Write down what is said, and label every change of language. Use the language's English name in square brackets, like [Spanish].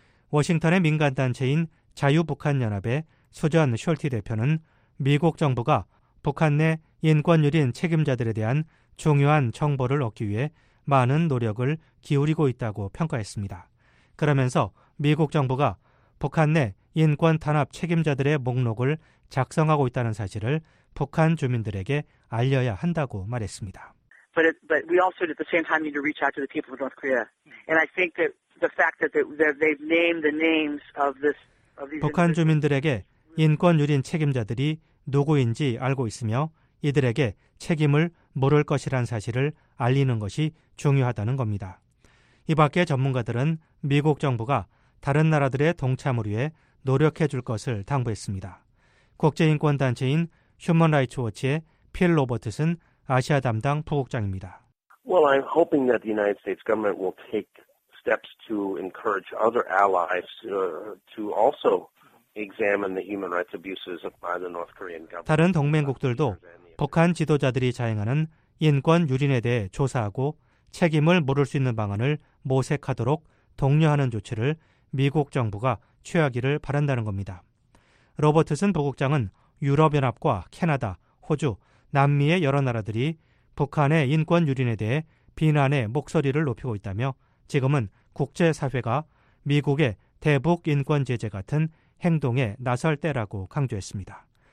[Korean] 워싱턴의 민간단체인 자유북한연합의 수전 숄티 대표는 미국 정부가 북한 내 인권 유린 책임자들에 대한 중요한 정보를 얻기 위해 많은 노력을 기울이고 있다고 평가했습니다. 그러면서 미국 정부가 북한 내 인권 탄압 책임자들의 목록을 작성하고 있다는 사실을 북한 주민들에게 알려야 한다고 말했습니다. [English] But we also at the same time need to reach out to the people of North Korea. And I think that the fact that they've named the names of this of these [Korean] 북한 주민들에게 인권 유린 책임자들이 누구인지 알고 있으며 이들에게 책임을 물을 것이란 사실을 알리는 것이 중요하다는 겁니다. 이 밖에 전문가들은 미국 정부가 다른 나라들의 동참을 위해 노력해 줄 것을 당부했습니다. 국제인권단체인 휴먼라이츠워치의 필 로버트슨 아시아 담당 부국장입니다. [English] Well, I'm hoping that the United States government will take steps to encourage other allies to also examine the human rights abuses by the North Korean government. [Korean] 다른 동맹국들도 북한 지도자들이 자행하는 인권 유린에 대해 조사하고 책임을 물을 수 있는 방안을 모색하도록 독려하는 조치를 미국 정부가 취하기를 바란다는 겁니다. 로버트슨 부국장은 유럽연합과 캐나다, 호주, 남미의 여러 나라들이 북한의 인권 유린에 대해 비난의 목소리를 높이고 있다며 지금은 국제사회가 미국의 대북 인권 제재 같은 행동에 나설 때라고 강조했습니다.